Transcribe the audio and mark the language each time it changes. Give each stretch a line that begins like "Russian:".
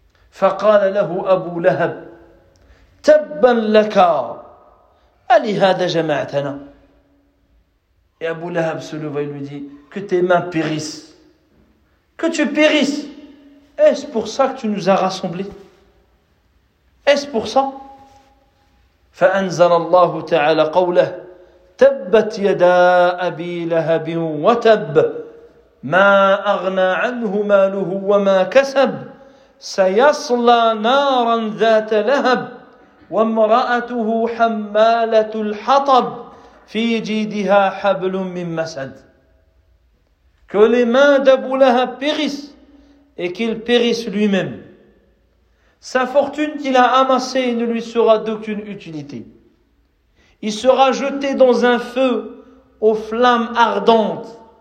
Arabic: Faqala lahu Abu Lahab tabban laka ali hada jama'atana.
French: Et Abu Lahab se leva et lui dit, que tes mains périssent. Que tu périsses. Est-ce pour ça que tu nous as rassemblés? Est-ce pour ça?
Arabic: فأنزل الله تعالى قوله تبت يدا أبي لهب وتب ما أغنى عنه ماله وما كسب سيصلى نارا ذات لهب وامرأته حمالة الحطب في جيدها حبل من مسد.
French: Que les mains d'Abu Lahab périssent et qu'il périsse lui-même. Sa fortune qu'il a amassée ne lui sera d'aucune utilité. Il sera jeté dans un feu aux flammes ardentes.